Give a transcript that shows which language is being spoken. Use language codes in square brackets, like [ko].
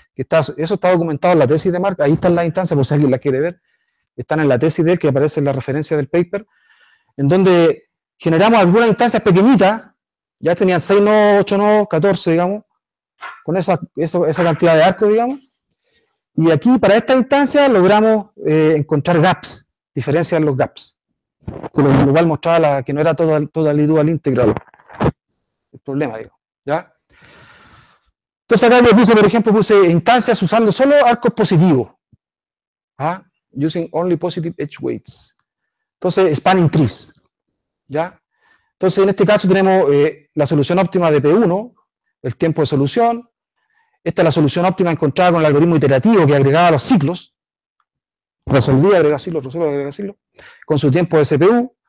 [es] Que está, eso está documentado en la tesis de Mark, ahí están las instancias, por si alguien las quiere ver, están en la tesis de él, que aparece en la referencia del paper, en donde generamos algunas instancias pequeñitas, ya tenían 6 nodos, 8 nodos, 14, digamos, con esa cantidad de arcos, digamos, y aquí, para esta instancia, logramos encontrar gaps, diferencias en los gaps, con lo cual mostraba que no era total y dual integral el problema, digamos, ¿ya? Entonces acá yo puse, por ejemplo, puse instancias usando solo arcos positivos, ¿ah? [en] Using only positive edge weights. [es] Entonces, spanning trees, ¿ya? Entonces, en este caso tenemos la solución óptima de P1, el tiempo de solución. Esta es la solución óptima encontrada con el algoritmo iterativo que agregaba los ciclos. Resolvía agregar ciclos, con su tiempo de CPU.